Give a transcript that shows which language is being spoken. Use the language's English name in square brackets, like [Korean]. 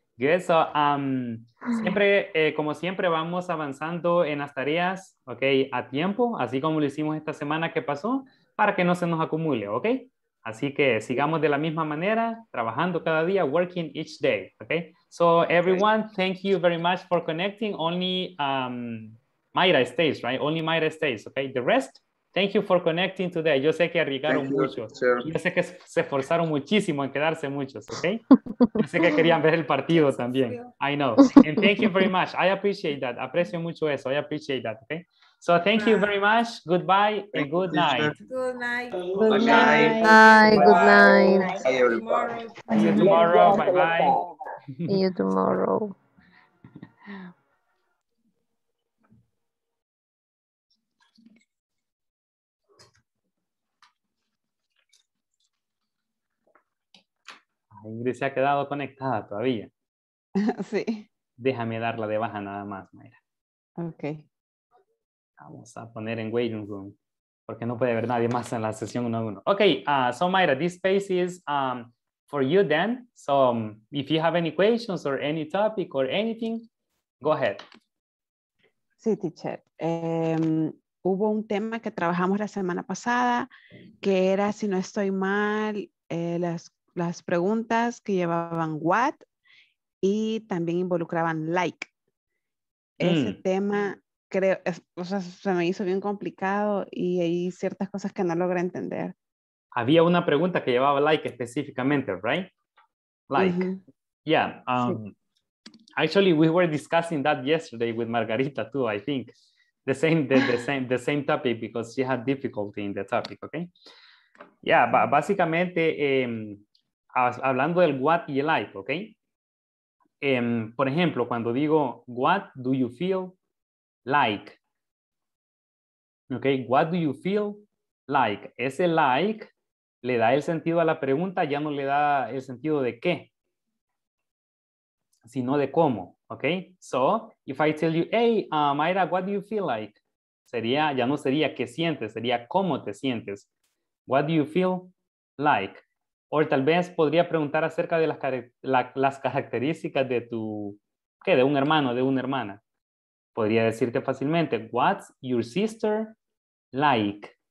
[English] Good, so [Spanish] siempre, como siempre, vamos avanzando en las tareas, ok, a tiempo, así como lo hicimos esta semana que pasó, para que no se nos acumule, ok. Así que sigamos de la misma manera, trabajando cada día, [English] working each day, [Spanish] ok. [English] So, everyone, thank you very much for connecting. Only Mayra stays, right? Only Mayra stays, ok. The rest, thank you for connecting today. [Spanish] Yo sé que arriesgaron mucho. Yo sé que se esforzaron muchísimo en quedarse muchos, ¿ok? Yo sé que querían ver el partido también. [English] I know. And thank you very much. I appreciate that. [Spanish] Aprecio mucho eso. [English] I appreciate that, ¿ok? So thank you very much. Goodbye and good night. Good night. Good night. Good night. Bye-bye. Good night. See you tomorrow. Bye-bye. See you tomorrow. [Spanish] Ingrid se ha quedado conectada todavía. Sí. Déjame darla de baja nada más, Mayra. Ok. Vamos a poner en waiting room, porque no puede haber nadie más en la sesión 1-1. [English] Ok, so Mayra, this space is for you then. So if you have any questions or any topic or anything, go ahead. [Spanish] Sí, teacher. Hubo un tema que trabajamos la semana pasada, que era, si no estoy mal, las preguntas que llevaban what y también involucraban like. Ese tema, creo, se me hizo bien complicado y hay ciertas cosas que no logré entender. Había una pregunta que llevaba like específicamente, [English] right? Like. Uh-huh. Yeah. Sí. Actually, we were discussing that yesterday with Margarita too, I think. The same topic because she had difficulty in the topic, okay? [Spanish] Yeah, básicamente... hablando del what y el like, ¿ok? Por ejemplo, cuando digo, [English] what do you feel like? ¿Ok? What do you feel like? [Spanish] Ese like le da el sentido a la pregunta, ya no le da el sentido de qué, sino de cómo, ¿ok? [English] So, if I tell you, hey, Mayra, what do you feel like? [Spanish] Sería, ya no sería qué sientes, sería cómo te sientes. [English] What do you feel like? [Spanish] O tal vez podría preguntar acerca de las características de tu, ¿qué? De un hermano, de una hermana. Podría decirte fácilmente, [English] what's your sister like?